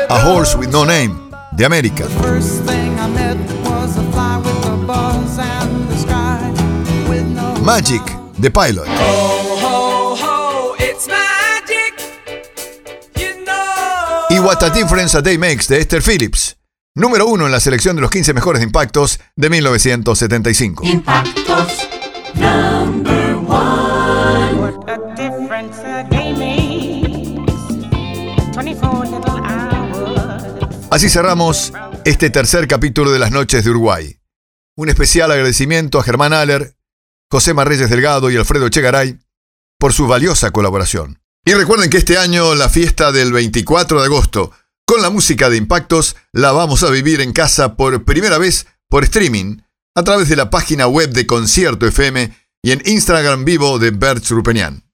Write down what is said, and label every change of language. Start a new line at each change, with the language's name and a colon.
Spanish: A Horse with No Name, de América.
English: The first thing I met was a fly with a buzz and the sky with no
Spanish: Magic, de Pilot.
English: Ho, ho, ho, it's magic, you know.
Spanish: Y What a Difference a Day Makes, de Esther Phillips. Número uno en la selección de los 15 mejores de impactos de 1975.
English: Impactos. Number one. What a difference a day makes. 24 little hours.
Spanish: Así cerramos este tercer capítulo de Las Noches de Uruguay. Un especial agradecimiento a Germán Aller, José Marreyes Delgado y Alfredo Chegaray por su valiosa colaboración. Y recuerden que este año la fiesta del 24 de agosto con la música de Impactos la vamos a vivir en casa por primera vez por streaming a través de la página web de Concierto FM y en Instagram vivo de Bert Rupenian.